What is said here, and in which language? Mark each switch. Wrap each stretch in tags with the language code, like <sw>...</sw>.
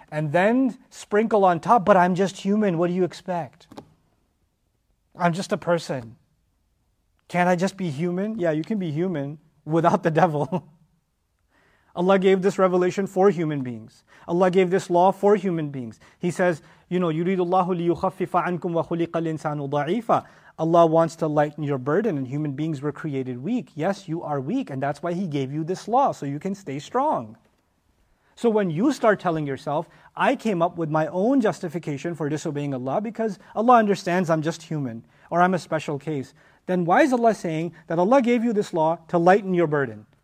<en>And then sprinkle on top, but I'm just human, what do you expect? I'm just a person. Can't I just be human? Yeah, you can be human without the devil. Allah gave this revelation for human beings. Allah gave this law for human beings. He says, you know,</en> <ar>يُرِيدُ اللَّهُ لِيُخَفِّفَ عَنْكُمْ وَخُلِقَ الْإِنسَانُ ضَعِيفًا.</ar> <en>Allah wants to lighten your burden, and human beings were created weak. Yes, you are weak, and that's why He gave you this law, so you can stay strong. So when you start telling yourself, I came up with my own justification for disobeying Allah because Allah understands I'm just human, or I'm a special case, then why is Allah saying that Allah gave you this law to lighten your burden?</en>